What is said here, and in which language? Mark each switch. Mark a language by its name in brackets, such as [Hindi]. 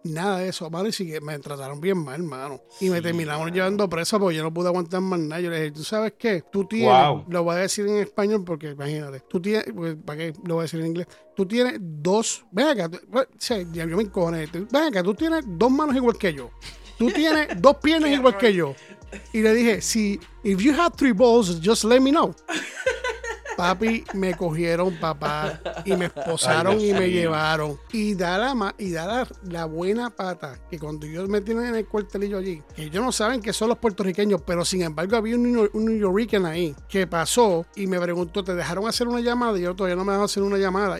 [Spanish] Mano, y sí que me trataron bien mal, hermano. Y me terminaron llevando preso porque yo no pude aguantar más nada. Yo le dije, "¿Tú sabes qué? Tú tienes..." Wow. Lo voy a decir en español porque imagínate. "Tú tienes..." Pues, ¿para qué? Lo voy a decir en inglés. "Tú tienes dos..." Ven acá. Yo me encojoné. "Ven acá, tú tienes dos manos igual que yo. Tú tienes dos piernas igual que yo." Y le dije, "Si, [English] if you have three balls, just let me know." [Spanish] Papi, me cogieron, papá, y me esposaron. Ay, y me llevaron. Y da la buena pata que cuando ellos me tienen en el cuartelillo allí, que ellos no saben que son los puertorriqueños, pero sin embargo había un New Yorker ahí que pasó y me preguntó, "¿Te dejaron hacer una llamada?" Y yo, "Todavía no me dejaron hacer una llamada."